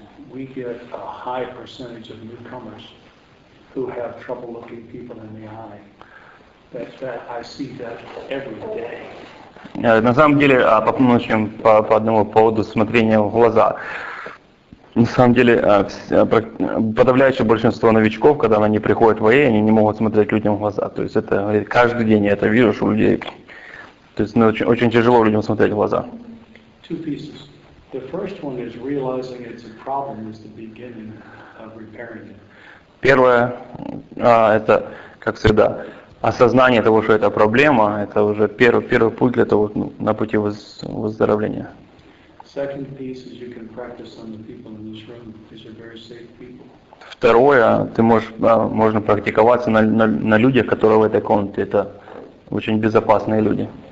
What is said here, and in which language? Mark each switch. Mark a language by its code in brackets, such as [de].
[en] We get a high percentage of newcomers who have trouble looking people in the eye. That I see that every day. [ru] На самом деле, по одному поводу смотрения в глаза. На самом деле, подавляющее большинство новичков, когда они приходят в АЭ, они не могут смотреть людям в глаза. То есть это каждый день я это вижу, что у людей... То есть очень, очень тяжело людям смотреть в глаза. [en] Two pieces. The first one is realizing it's a problem is the beginning of repairing it. [ru] Первое, это, как всегда, осознание того, что это проблема, это уже первый путь для того, на пути выздоровления. [en] Second piece is you can practice on the people in this room. These are very safe people. [ru] Второе, ты можно практиковаться на людях, которые в этой комнате. Это очень безопасные люди.